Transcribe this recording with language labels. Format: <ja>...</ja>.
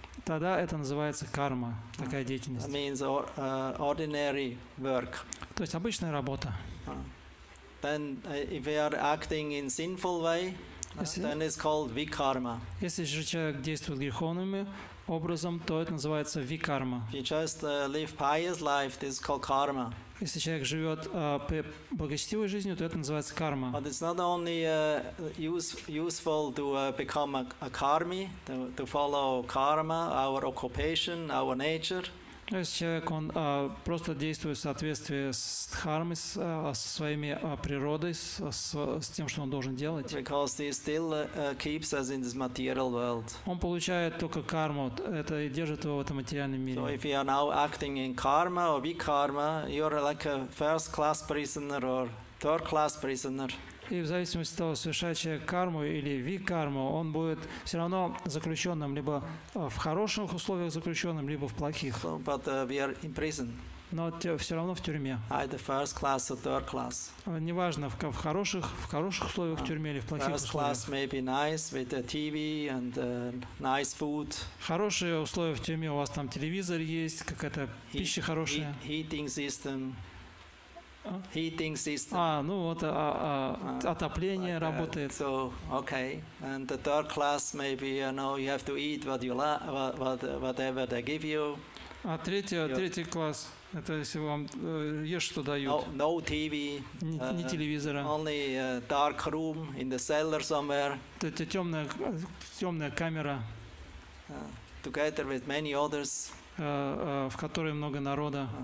<ru>Тогда это называется карма, такая деятельность.</ru> <en>That means ordinary work.</en> <ru>То есть обычная работа.</ru> <en>Then if we are acting in sinful way. Then it's called vikarma.</en> <ru>Если же человек действует греховным образом, то это называется викарма.</ru> <en>If you just live pious life, this is called karma.</en> <ru>Если человек живет благочестивой жизнью, то это называется карма.</ru> <en>But it's not only useful to become a karmi, to follow karma, our occupation, our nature.</en> <ru>Если человек он просто действует в соответствии с дхармой, со своими природой, с тем, что он должен делать.</ru> <en>Because he still keeps us in this material world.</en> <ru>Он получает только карму, это и держит его в этом материальном мире.</ru> <en>So if you are now acting in karma or vikarma, you are like a first-class prisoner or third-class prisoner.</en> <ru>И в зависимости от того, совершает человек карму или викарму, он будет все равно заключенным либо в хороших условиях заключенным, либо в плохих.</ru> <en>But we are in prison.</en> <ru>Но все равно в тюрьме.</ru> <en>Either first class or third class.</en> <ru>Неважно, в хороших условиях в тюрьме или в плохих</ru> <en>first</en> <ru>условиях.</ru> <en>First class may be nice with the TV and nice food.</en> <ru>Хорошие условия в тюрьме, у вас там телевизор есть, какая-то пища хорошая.</ru> <en>Heating system. Heating system.</en> <ru>Отопление</ru> <en>like</en> <ru>работает.</ru> <en>So, okay. And the third class, maybe you know, you have to eat what you like, whatever they give you.</en> <ru>А третий класс, это если вам ешь, что дают.</ru> <en>No TV.</en> <ru>Не телевизора.</ru> <en>Only dark room in the cellar somewhere.</en> <ru>Это темная камера.</ru> <en>Together with many others.</en> <ru>В которой много народа.</ru>